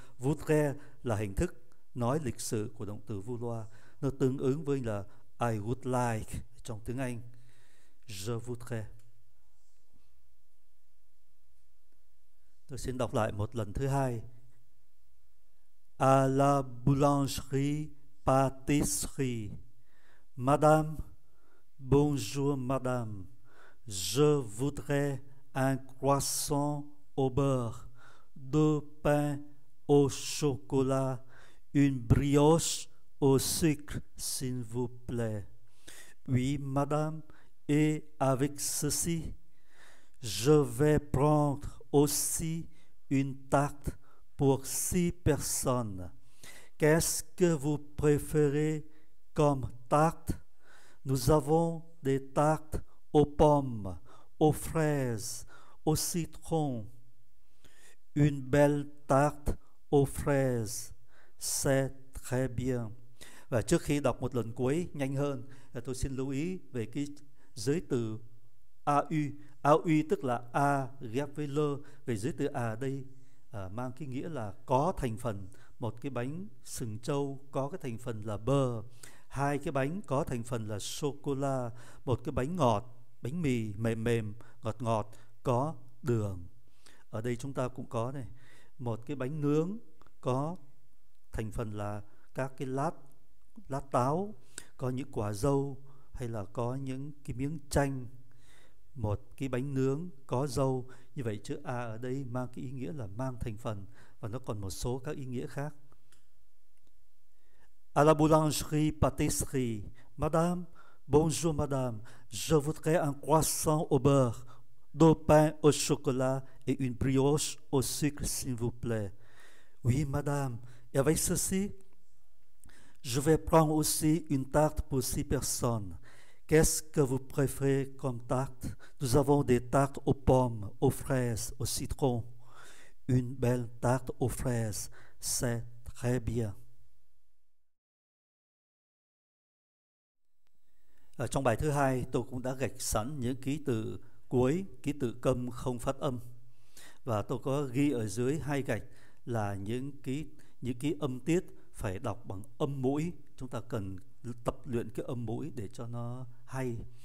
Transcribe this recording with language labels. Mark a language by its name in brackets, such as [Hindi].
[Vietnamese] Voudrais là hình thức nói lịch sự của động từ vouloir. Nó tương ứng với là [English] I would like [Vietnamese] trong tiếng Anh. [French] Je voudrais. [Vietnamese] Tôi xin đọc lại một lần thứ hai. [French] À la boulangerie pâtisserie. Madame, bonjour madame. Je voudrais un croissant au beurre, deux pains au chocolat, une brioche au sucre, s'il vous plaît. Oui, madame, et avec ceci, je vais prendre aussi une tarte pour six personnes. Qu'est-ce que vous préférez comme tarte? Nous avons des tartes aux pommes, aux fraises, au citron. Une belle tarte aux fraises, c'est très bien. [Vietnamese] Và trước khi đọc một lần cuối nhanh hơn, tôi xin lưu ý về cái giới từ AU. AU tức là A ghép với L. Về giới từ A đây mang cái nghĩa là có thành phần. Một cái bánh sừng trâu có cái thành phần là bơ. Hai cái bánh có thành phần là sô-cô-la. Một cái bánh ngọt, bánh mì mềm mềm, ngọt ngọt, có đường. Ở đây chúng ta cũng có này. Một cái bánh nướng có thành phần là các cái lát, lát táo, có những quả dâu hay là có những cái miếng chanh. Một cái bánh nướng có dâu. Như vậy chữ A ở đây mang cái ý nghĩa là mang thành phần, và nó còn một số các ý nghĩa khác. [French] À la boulangerie pâtisserie. Madame, bonjour madame. Je voudrais un croissant au beurre, deux pains au chocolat et une brioche au sucre, s'il vous plaît. Oui, madame. Et avec ceci, je vais prendre aussi une tarte pour six personnes. Qu'est-ce que vous préférez comme tarte? Nous avons des tartes aux pommes, aux fraises, au citron. Une belle tarte aux fraises, c'est très bien. [Vietnamese] Ở trong bài thứ hai, tôi cũng đã gạch sẵn những ký tự cuối, ký tự câm không phát âm. Và tôi có ghi ở dưới hai gạch là những ký âm tiết phải đọc bằng âm mũi. Chúng ta cần tập luyện cái âm mũi để cho nó hay.